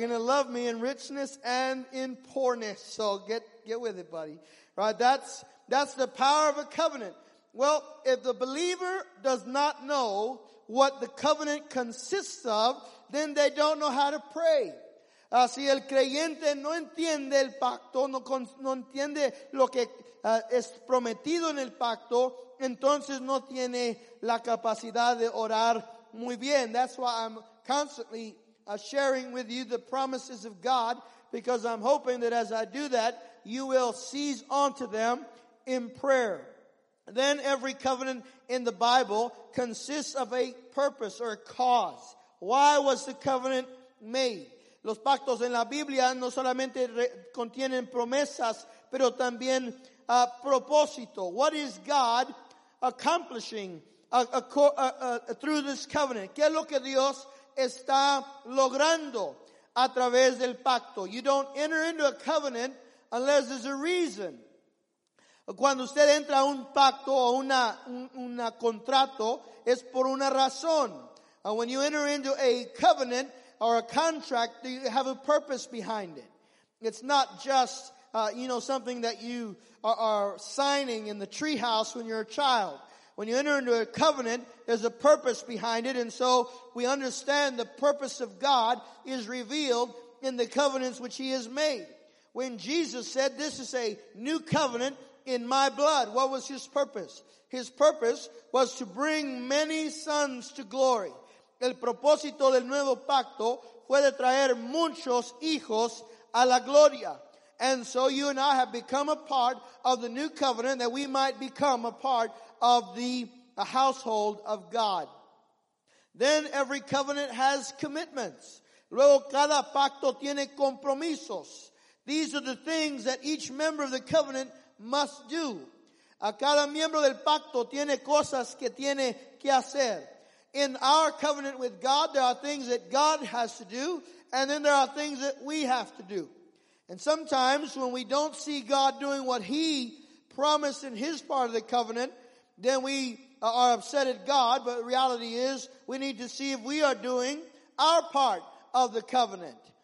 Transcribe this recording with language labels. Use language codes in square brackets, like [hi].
[en] You're going to love me in richness and in poorness. So get with it, buddy. Right? That's the power of a covenant. Well, if the believer does not know what the covenant consists of, then they don't know how to pray. [es] Si el creyente no entiende el pacto, no entiende lo que es prometido en el pacto, entonces no tiene la capacidad de orar muy bien. [en] That's why I'm constantly sharing with you the promises of God, because I'm hoping that as I do that, you will seize onto them in prayer. Then every covenant in the Bible consists of a purpose or a cause. Why was the covenant made? [es] Los pactos en la Biblia no solamente contienen promesas, pero también propósito. [en] What is God accomplishing through this covenant? [es] ¿Qué es lo que Dios está logrando a través del pacto? [en] You don't enter into a covenant unless there's a reason. [es] Cuando usted entra a un pacto o una contrato, es por una razón. [en] When you enter into a covenant or a contract, do you have a purpose behind it? It's not just something that you are signing in the treehouse when you're a child. When you enter into a covenant, there's a purpose behind it. And so we understand the purpose of God is revealed in the covenants which he has made. When Jesus said, "This is a new covenant in my blood," what was his purpose? His purpose was to bring many sons to glory. [es] El propósito del nuevo pacto fue de traer muchos hijos a la gloria. [en] And so you and I have become a part of the new covenant that we might become a part of the household of God. Then every covenant has commitments. [es] Luego cada pacto tiene compromisos. [en] These are the things that each member of the covenant must do. [es] A cada miembro del pacto tiene cosas que tiene que hacer. [en] In our covenant with God, there are things that God has to do, and then there are things that we have to do. And sometimes when we don't see God doing what he promised in his part of the covenant, then we are upset at God. But the reality is, we need to see if we are doing our part of the covenant.